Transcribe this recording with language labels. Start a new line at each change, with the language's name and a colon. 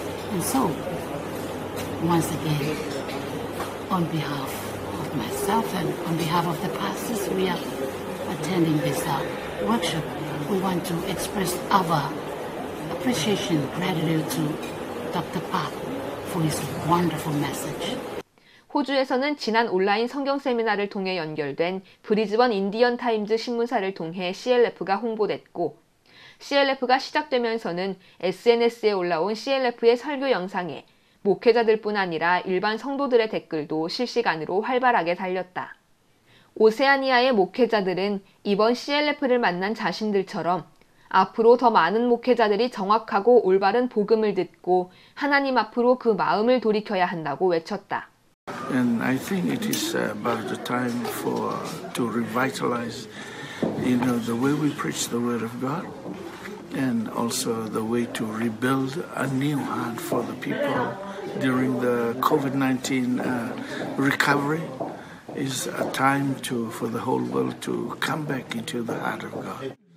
English: And so, once again, on behalf of myself and on behalf of the pastors, we are attending this workshop. We want to express our appreciation, gratitude to Dr. Park for his wonderful message.
Korean: 호주에서는 지난 온라인 성경 세미나를 통해 연결된 브리즈번 인디언 타임즈 신문사를 통해 CLF가 홍보됐고, CLF가 시작되면서는 SNS에 올라온 CLF의 설교 영상에 목회자들뿐 아니라 일반 성도들의 댓글도 실시간으로 활발하게 달렸다. 오세아니아의 목회자들은 이번 CLF를 만난 자신들처럼 앞으로 더 많은 목회자들이 정확하고 올바른 복음을 듣고 하나님 앞으로 그 마음을 돌이켜야 한다고 외쳤다.
English: And I think it is about the time for to revitalize, you know, the way we preach the word of God, and also the way to rebuild a new heart for the people during the COVID-19 recovery is a time to for the whole world to come back into the heart of God.